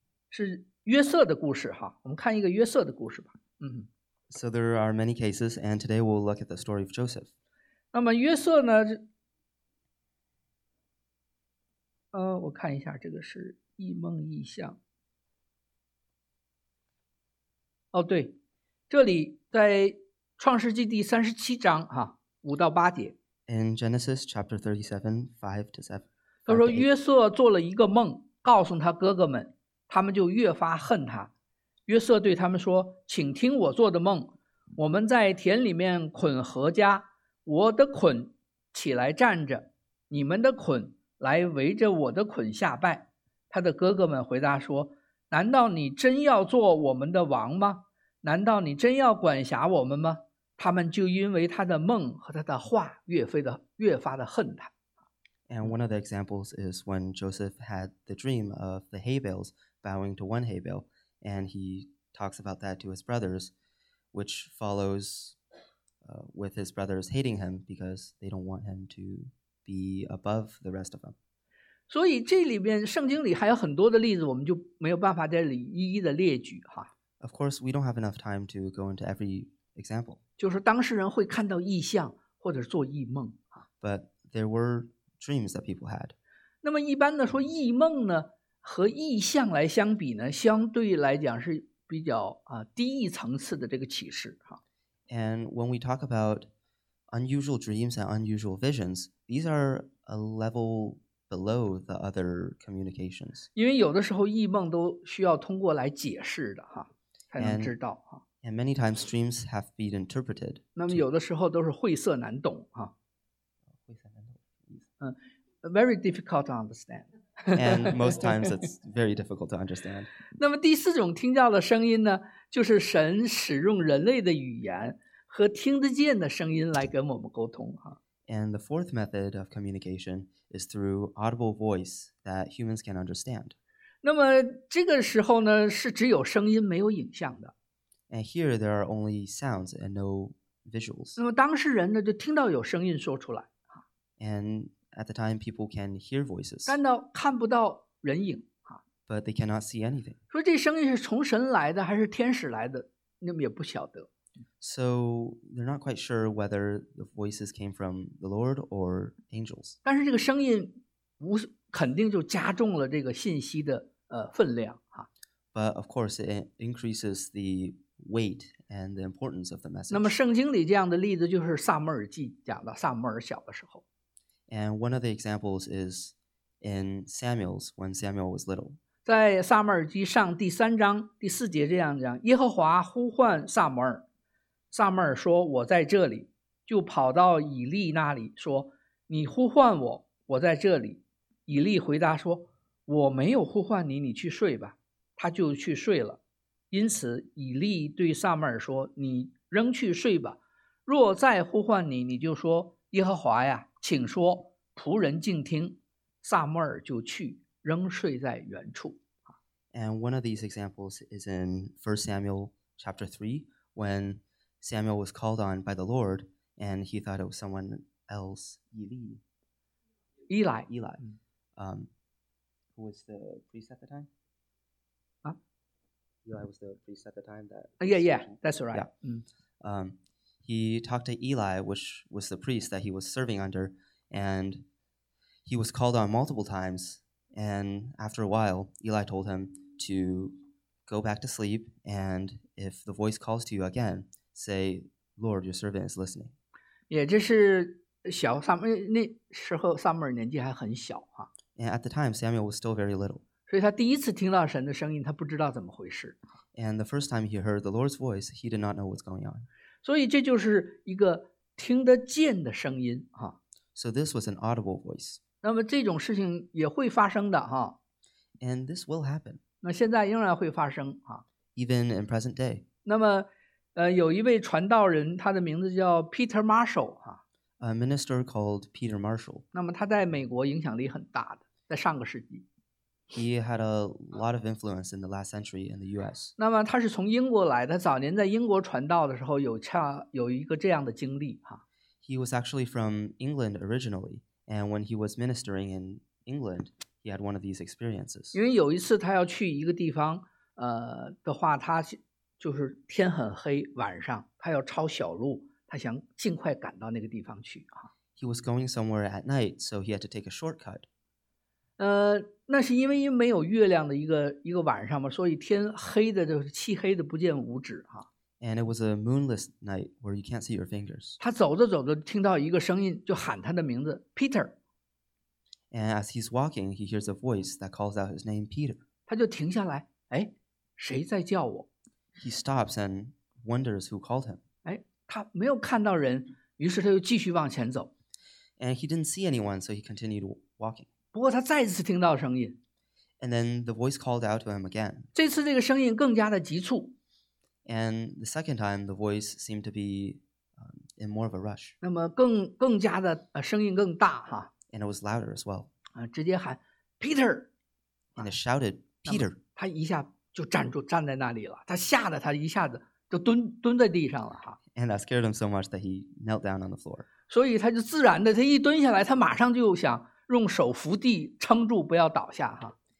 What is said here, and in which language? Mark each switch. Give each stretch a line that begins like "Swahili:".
Chinese: 是约瑟的故事哈，我们看一个约瑟的故事吧。嗯。
English: So there are many cases, and today we'll look at the story of Joseph.
Chinese: 那么约瑟呢？我看一下，这个是异梦异象。哦，对，这里在创世纪第三十七章哈，五到八节。
English: In Genesis chapter 37, 5 to 7.
Chinese: 他说约瑟做了一个梦，告诉他哥哥们。他们就越发恨他。约瑟对他们说：“请听我做的梦。我们在田里面捆禾枷，我的捆起来站着，你们的捆来围着我的捆下拜。” 他的哥哥们回答说：“难道你真要做我们的王吗？难道你真要管辖我们吗？” 他们就因为他的梦和他的话越发的恨他。
English: And one of the examples is when Joseph had the dream of the hay bales. Bowing to one hay bale, and he talks about that to his brothers, which follows with his brothers hating him because they don't want him to be above the rest of them.
Chinese: 所以这里面圣经里还有很多的例子，我们就没有办法在这里一一的列举哈。
English: Of course, we don't have enough time to go into every example.
Chinese: 就是当事人会看到异象或者做异梦哈。
English: But there were dreams that people had.
Chinese: 那么一般的说异梦呢？和异象来相比呢，相对来讲是比较低一层次的这个启示哈。
English: And when we talk about unusual dreams and unusual visions, these are a level below the other communications.
Chinese: 因为有的时候异梦都需要通过来解释的哈，才能知道哈。
English: And many times dreams have been interpreted.
Chinese: 那么有的时候都是晦涩难懂哈。晦涩难懂。
English: Very difficult to understand. And most times it's very difficult to understand.
Chinese: 那么第四种听到的声音呢，就是神使用人类的语言和听得见的声音来跟我们沟通哈。
English: And the fourth method of communication is through audible voice that humans can understand.
Chinese: 那么这个时候呢，是只有声音没有影像的。
English: And here there are only sounds and no visuals.
Chinese: 那么当事人呢，就听到有声音说出来哈。
English: And At the time, people can hear voices.
Chinese: 但看不到人影啊。
English: But they cannot see anything.
Chinese: 说这声音是从神来的还是天使来的，那么也不晓得。
English: So they're not quite sure whether the voices came from the Lord or angels.
Chinese: 但是这个声音肯定就加重了这个信息的分量啊。
English: But of course, it increases the weight and the importance of the message.
Chinese: 那么圣经里这样的例子就是撒母耳记讲的，撒母耳小的时候。
English: And one of the examples is in Samuel's when Samuel was little.
Chinese: 在撒母耳记上第三章第四节这样讲，耶和华呼唤撒母耳，撒母耳说：“我在这里。” 就跑到以利那里说：“你呼唤我，我在这里。” 以利回答说：“我没有呼唤你，你去睡吧。” 他就去睡了。因此，以利对撒母耳说：“你仍去睡吧。若再呼唤你，你就说：耶和华呀。”请说，仆人静听。撒母耳就去，仍睡在原处。
English: And one of these examples is in 1 Samuel chapter 3, when Samuel was called on by the Lord, and he thought it was someone else, Eli. Who was the priest at the time? Eli was the priest at the time that... Yeah, that's right. Yeah. He talked to Eli, which was the priest that he was serving under, and he was called on multiple times, and after a while, Eli told him to go back to sleep, and if the voice calls to you again, say, Lord, your servant is listening.
Chinese: Yeah, 这是小撒母耳，那时候撒母耳年纪还很小啊。
English: And at the time, Samuel was still very little.
Chinese: 所以他第一次听到神的声音，他不知道怎么回事。
English: And the first time he heard the Lord's voice, he did not know what's going on.
Chinese: 所以这就是一个听得见的声音啊。
English: So this was an audible voice.
Chinese: 那么这种事情也会发生的啊。
English: And this will happen.
Chinese: 那现在仍然会发生啊。
English: Even in present day.
Chinese: 那么有一位传道人，他的名字叫 Peter Marshall 啊。
English: A minister called Peter Marshall.
Chinese: 那么他在美国影响力很大的，在上个世纪。
English: He had a lot of influence in the last century in the U.S.
Chinese: 那么他是从英国来的，早年在英国传道的时候有一个这样的经历哈。
English: He was actually from England originally, and when he was ministering in England, he had one of these experiences.
Chinese: 因为有一次他要去一个地方，的话，他就是天很黑，晚上他要抄小路。他想尽快赶到那个地方去啊。
English: He was going somewhere at night, so he had to take a shortcut.
Chinese: 那是因为没有月亮的一个晚上嘛，所以天黑的就是漆黑的不见五指啊。
English: And it was a moonless night where you can't see your fingers.
Chinese: 他走着走着听到一个声音，就喊他的名字 Peter.
English: And as he's walking, he hears a voice that calls out his name Peter.
Chinese: 他就停下来，哎，谁在叫我
English: ？He stops and wonders who called him. 哎。
Chinese: 他没有看到人，于是他又继续往前走。
English: And he didn't see anyone, so he continued walking.
Chinese: 不过他再次听到声音。
English: And then the voice called out to him again.
Chinese: 这次这个声音更加的急促。
English: And the second time, the voice seemed to be in more of a rush.
Chinese: 那么更加的声音更大哈。
English: And it was louder as well.
Chinese: 直接喊 Peter.
English: And it shouted Peter.
Chinese: 他一下就站在那里了，他吓得他一下子。就蹲在地上了哈。
English: And that scared him so much that he knelt down on the floor.
Chinese: 所以他就自然的，他一蹲下来，他马上就想用手扶地撑住，不要倒下哈。